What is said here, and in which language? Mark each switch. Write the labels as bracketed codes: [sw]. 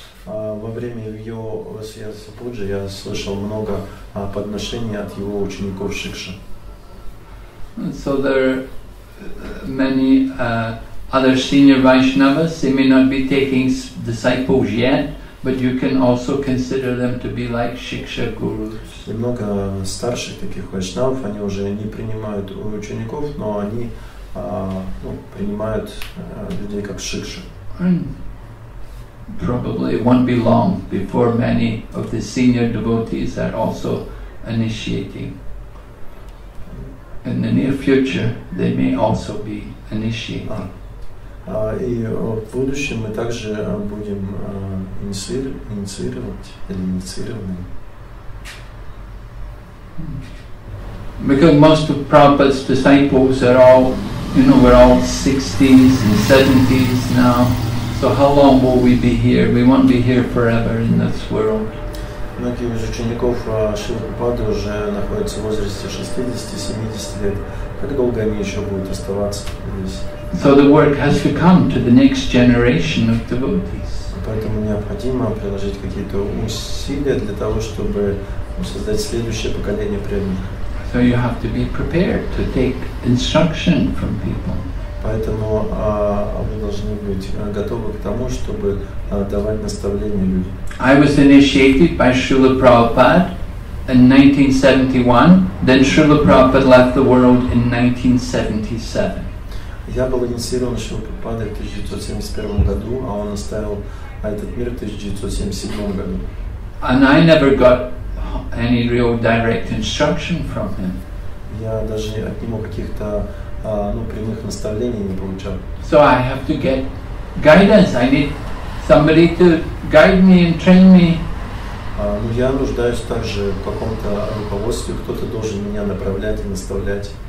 [ru] Во время его Vyasa Puja я слышал много подношений от его учеников шикши. [en] So there are many other senior Vaishnavas, they may not be taking disciples yet, but you can also consider them to be like Shiksha Gurus. [ru] Много старших таких Вайшнавов, они уже не принимают учеников, но они принимают людей как Шикша. [en] Probably it won't be long before many of the senior devotees are also initiating. In the near future, they may also be initiating. [ru] И в будущем мы также будем инициировать или инициированы. [en] Because most of Prabhupada's disciples are all, you know, we're all 60s and 70s now. So how long will we be here? We won't be here forever in this world. [ru] Многие из учеников Шрилы Прабхупады уже находятся в возрасте 60-70 лет. Как долго они еще будут оставаться здесь? [en] So the work has to come to the next generation of devotees. [ru] Поэтому необходимо приложить какие-то усилия для того, чтобы создать следующее поколение преданных. [en] So you have to be prepared to take instruction from people. [ru] Поэтому вы должны быть готовы к тому, чтобы давать наставления людям. [en] I was initiated by Srila Prabhupada in 1971. Then Srila Prabhupada left the world in 1977. [ru] Я был инициирован Шрилой Прабхупадой в 1971 году, а он оставил этот мир в 1977 году. [en] And I never got any real direct instruction from him. [ru] Я даже от него каких-то прямых наставлений не получал. [en] So I have to get guidance. I need somebody to guide me and train me. [ru] Я нуждаюсь также в каком-то руководстве. Кто-то должен меня направлять и наставлять.